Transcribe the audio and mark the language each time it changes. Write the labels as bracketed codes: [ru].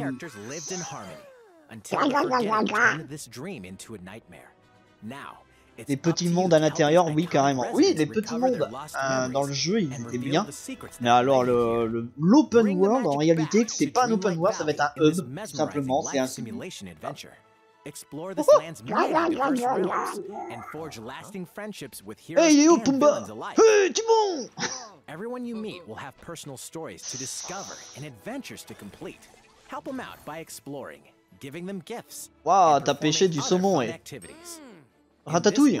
[en] Characters lived in harmony until this dream into a nightmare. [fr] Now, les petits mondes à l'intérieur, oui carrément. Oui, les petits mondes dans le jeu, ils étaient bien. Mais alors le l'open world en réalité, c'est pas un open world, ça va être un hub simplement, c'est un [en] simulation adventure. Explore this land's rooms and forge lasting friendships with heroes and villains alike. Hey, Timon! Everyone you meet will have personal stories to discover and adventures to complete. Help them out by exploring, giving them gifts. [fr] Wow, t'as pêché du saumon, eh. [en] Ratatouille.